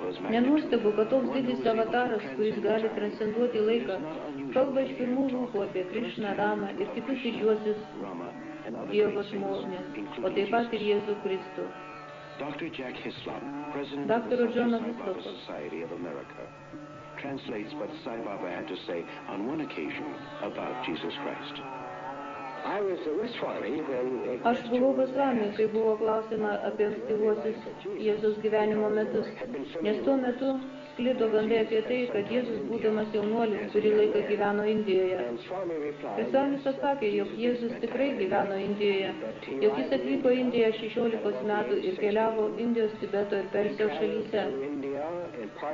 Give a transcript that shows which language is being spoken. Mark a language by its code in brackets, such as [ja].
[lt] Nenuostabu, kad toks didis avataras, kuris gali transcenduoti laiką, kalba iš pirmų lūpų apie Krišną, Ramą ir kitus didžiuosius Dievo žmonės, o taip pat ir Jėzų Kristų. [en] Dr. Jack Hislop, President of the Sai Baba Society of America, translates what Sai Baba had to say on one occasion about Jesus Christ. I was with Swami when a question was asked about Jesus' life. Because at that time, [lt] sklido gandai apie tai, kad Jėzus, būdamas jaunuolis, kurį laiką gyveno Indijoje. Ir Svamis atsakė, jog Jėzus tikrai gyveno Indijoje, jog jis atvyko į Indiją 16 metų ir keliavo Indijos, Tibeto ir Persijos šalyse.